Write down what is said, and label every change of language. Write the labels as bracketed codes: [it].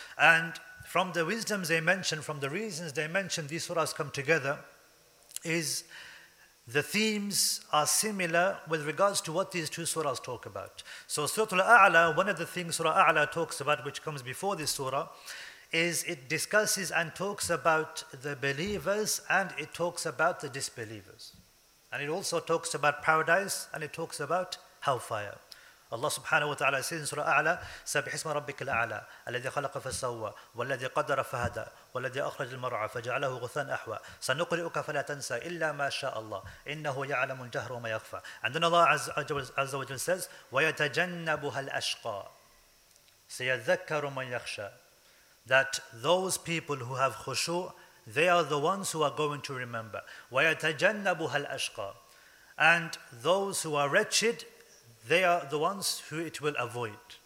[en] And from the wisdoms they mentioned, from the reasons they mentioned these surahs come together, is the themes are similar with regards to what these two surahs talk about. So Suratul A'la, one of the things Surah A'la talks about, which comes before this surah, is it discusses and talks about the believers and it talks about the disbelievers. And it also talks about paradise and it talks about hellfire. [ar] Allah subhanahu wa ta'ala says in Surah A'la, سَبِّحِ اسْمَ رَبِّكَ الْأَعْلَى الَّذِي خَلَقَ فَسَوَّى وَالَّذِي قَدَّرَ فَهَدَى وَالَّذِي أَخْرَجَ الْمَرْعَى فَجَعَلَهُ غُثَاءً أَحْوَى سَنُقْرِئُكَ فَلَا تَنْسَى إِلَّا مَا شَاءَ اللَّهُ إِنَّهُ يَعْلَمُ الْجَهْرَ وَمَا يَخْفَى. [en] And then Allah Azza wa Jalla says, [ar] وَيَتَجَنَّبُهَا الْأَشْقَى سَيَذَّكَّرُ مَنْ يَخْشَى. [en] That those people who have khushu, they are the ones who are going to remember. [ar] وَيَتَجَنَّبُهَا الْأَشْقَى. [en] And those who are wretched, they are the ones who it will avoid.